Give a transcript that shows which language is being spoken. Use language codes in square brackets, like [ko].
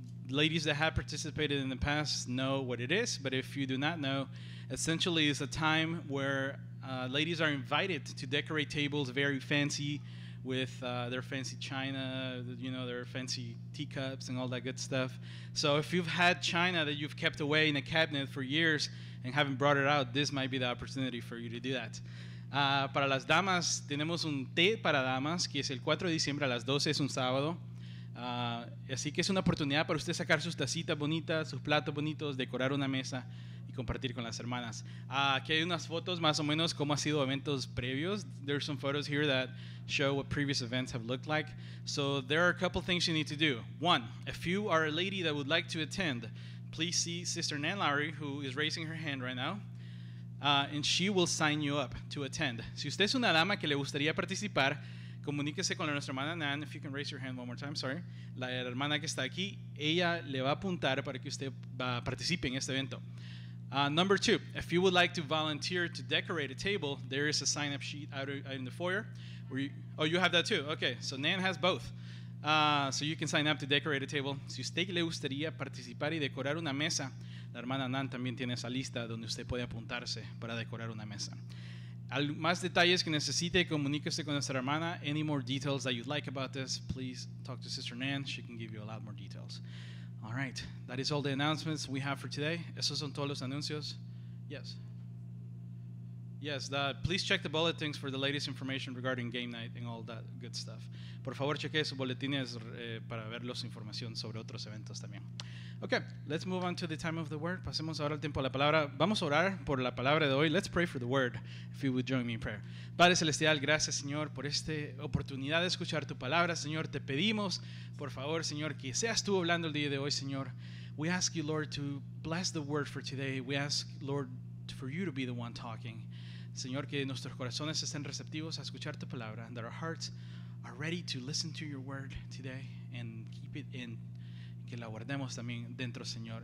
[en] Ladies that have participated in the past know what it is, but if you do not know, essentially it's a time where ladies are invited to decorate tables very fancy with their fancy china, you know, their fancy teacups and all that good stuff. So if you've had china that you've kept away in a cabinet for years and haven't brought it out, this might be the opportunity for you to do that. [es] Para las damas, tenemos un té para damas, que es el 4 de diciembre a las 12, es un sábado. Así que es una oportunidad para usted sacar sus tacitas bonitas, sus platos bonitos, decorar una mesa y compartir con las hermanas. Aquí hay unas fotos más o menos cómo ha sido eventos previos. [en] There's some photos here that show what previous events have looked like. So there are a couple things you need to do. One, if you are a lady that would like to attend, please see Sister Nan Lowry, who is raising her hand right now, and she will sign you up to attend. [es] Si usted es una dama que le gustaría participar, comuníquese con nuestra hermana Nan, [en] if you can raise your hand one more time, sorry. [es] La hermana que está aquí, ella le va a apuntar para que usted participe en este evento. [en] Number two, if you would like to volunteer to decorate a table, there is a sign-up sheet out in the foyer. You have that too. Okay, so Nan has both. So you can sign up to decorate a table. [es] Si usted le gustaría participar y decorar una mesa, la hermana Nan también tiene esa lista donde usted puede apuntarse para decorar una mesa. Más detalles que necesite, comuníquese con nuestra hermana. [en] Any more details that you'd like about this, please talk to Sister Nan. She can give you a lot more details. All right. That is all the announcements we have for today. [es] Esos son todos los anuncios. [en] Yes. Yes, please check the bulletins for the latest information regarding game night and all that good stuff. [es] Por favor, cheque sus boletines para ver los información sobre otros eventos también. [en] Okay, let's move on to the time of the word. [es] Pasemos ahora al tiempo de la palabra. Vamos a orar por la palabra de hoy. [en] Let's pray for the word, if you would join me in prayer. [es] Padre Celestial, gracias, Señor, por esta oportunidad de escuchar tu palabra. Señor, te pedimos, por favor, Señor, que seas tú hablando el día de hoy, Señor. [en] We ask you, Lord, to bless the word for today. We ask, Lord, for you to be the one talking. [es] Señor, que nuestros corazones estén receptivos a escuchar tu palabra, [en] and that our hearts are ready to listen to your word today and keep it in, [es] que la guardemos también dentro, Señor.